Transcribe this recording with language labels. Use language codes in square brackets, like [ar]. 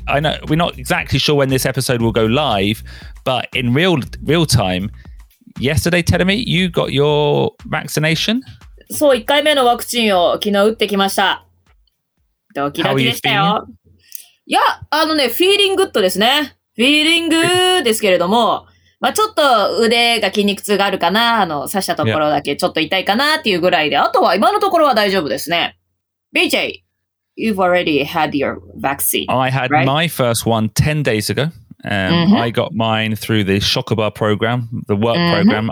[en] I know we're not exactly sure when this episode will go live, but in real time, yesterday, Terumi, you got your vaccination? [ja] So, 1回目のワクチンを昨日打ってきました。ドキドキでしたよ。いや、あのね、フィーリンググッドですね。フィーリングですけれども、まあ、ちょっと腕が筋肉痛があるかな、あの、刺したところだけちょっと痛いかなっていうぐらいで、あとは今のところは大丈夫ですね。 [en] BJ! You've already had your vaccine. I had、 right? my first one 10 days ago.、I got mine through the Shokuba program, the work、program.